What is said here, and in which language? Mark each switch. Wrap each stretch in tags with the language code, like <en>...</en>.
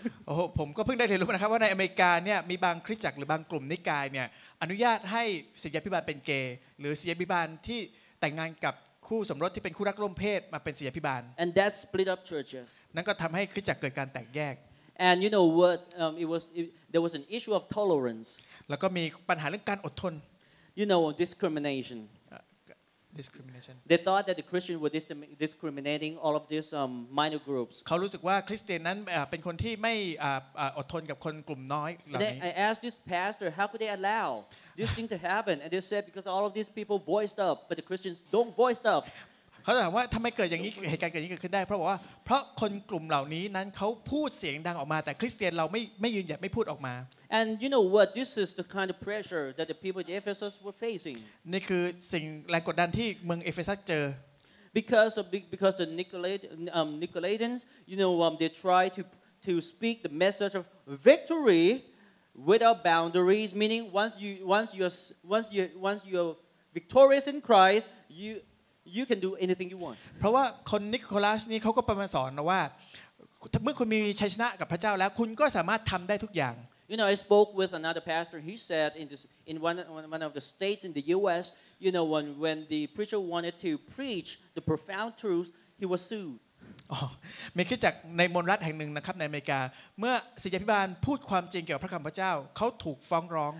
<th>โอ้โหผมก็เพิ่งได้เรียนรู้นะครับว่าในอเมริกาเนี่ยมีบางคริสตจักรหรือบางกลุ่มนิกายเนี่ยอนุญาตให้ศิษยาภิบาลเป็นเกย์หรือศิษยาภิบาลที่แต่งงานกับคู่สมรสที่เป็นคู่รักร่วมเพศมาเป็นศิษยาภิบาล</th> <en>and that split up churches</en> <th>นั่นก็ทําให้คริสตจักรเกิดการแตกแยก</th> <en>and you know what there was an issue of tolerance</en> <th>แล้วก็มีปัญหาเรื่องการอดทน</th> <en>You know discrimination. Discrimination. They thought that the Christians were discriminating all of these minor groups.</en> <th>เขารู้สึกว่าคริสเตียนนั้นเป็นคนที่ไม่อดทนกับคนกลุ่มน้อยเหล่านี้</th> <en>I asked this pastor how could they allow this thing to happen and they said because all of these people voiced up but the Christians don't voiced up.</en> <th>เขาถามว่าทำไมเกิดอย่างนี้เหตุการณ์เกิดอย่างนี้ขึ้นได้เพราะว่าเพราะคนกลุ่มเหล่านี้นั้นเขาพูดเสียงดังออกมาแต่คริสเตียนเราไม่ยืนหยัดไม่พูดออกมา</th> <en>And you know what this is the kind of pressure that the people in Ephesus were facing</en> <th>นี่คือสิ่งแรงกดดันที่เมืองเอเฟซัสเจอ</th> <en>because the Nicolaitans you know they try to speak the message of victory without boundaries meaning once you're victorious in Christ you can do anything you want</en> <th>เพราะว่าคนนิโคลัสนี่เค้าก็ประมาณสอนนะว่าเมื่อคุณมีชัยชนะกับพระเจ้าแล้วคุณก็สามารถทําได้ทุกอย่าง</th> <en>You know I spoke with another pastor he said in one of the states in the US you know when the preacher wanted to preach the profound truth he was sued</en> <th>มีคริสตจักรในมณฑลรัฐแห่งนึงนะครับในอเมริกาเมื่อศิษยาภิบาลพูดความจริงเกี่ยวกับพระคําพระเจ้าเค้าถูกฟ้องร้อง</th>